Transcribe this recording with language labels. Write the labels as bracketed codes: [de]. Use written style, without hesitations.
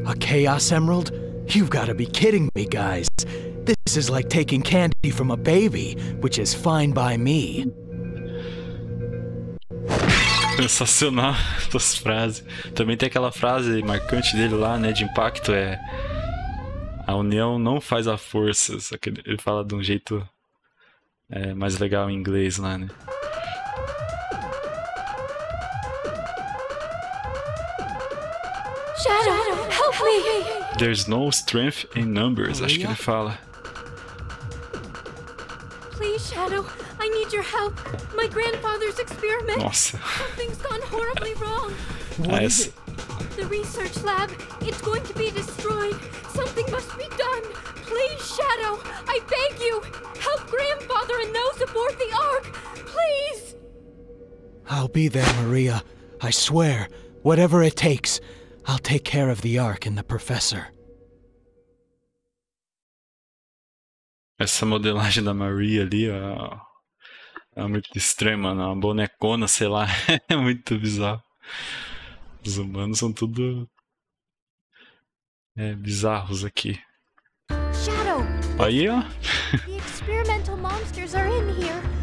[en] Chaos Emerald? You've got to be kidding me, guys. This is like taking candy from a baby, which is fine by me. [pt] Sensacional essas frases. Também tem aquela frase marcante dele lá, né, de impacto, é... A união não faz a força. Só que ele fala de um jeito mais legal em inglês lá, né? [en] Shadow! There's no strength in numbers, [pt] acho que ele fala. [en] Please, Shadow, I need your help. My grandfather's experiment. [pt] Nossa. [en] Something's gone horribly wrong. What is it? The research lab, it's going to be destroyed. Something must be done. Please, Shadow, I beg you, help grandfather and those aboard the Ark. Please. I'll be there, Maria. I swear, whatever it takes. I'll take care of the Ark and the Professor. [pt] Essa modelagem da Maria ali, ó, é muito extrema, né? Uma bonecona, sei lá, é muito bizarro. Os humanos são tudo bizarros aqui. [en] Shadow. [pt] Aí, ó. [en] The experimental monsters are in here.